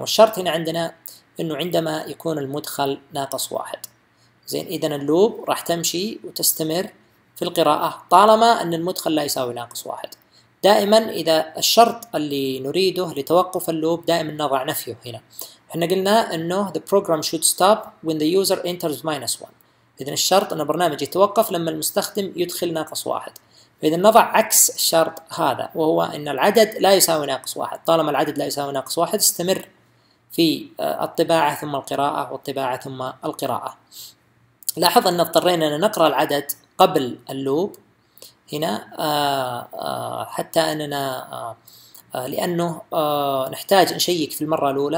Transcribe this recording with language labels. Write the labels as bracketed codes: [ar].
[ar] والشرط هنا عندنا إنه عندما يكون المدخل ناقص واحد. زين، إذا اللوب راح تمشي وتستمر في القراءة طالما أن المدخل لا يساوي ناقص واحد. دائما إذا الشرط اللي نريده لتوقف اللوب دائما نضع نفيه هنا. إحنا قلنا إنه [en] the program should stop when the user enters minus one. [ar] إذا الشرط أن البرنامج يتوقف لما المستخدم يدخل ناقص واحد. فإذا نضع عكس الشرط هذا، وهو أن العدد لا يساوي ناقص واحد. طالما العدد لا يساوي ناقص واحد استمر في الطباعة ثم القراءة والطباعة ثم القراءة. لاحظ أن اضطرينا أن نقرأ العدد قبل اللوب هنا حتى أننا لأنه نحتاج نشيك في المرة الأولى.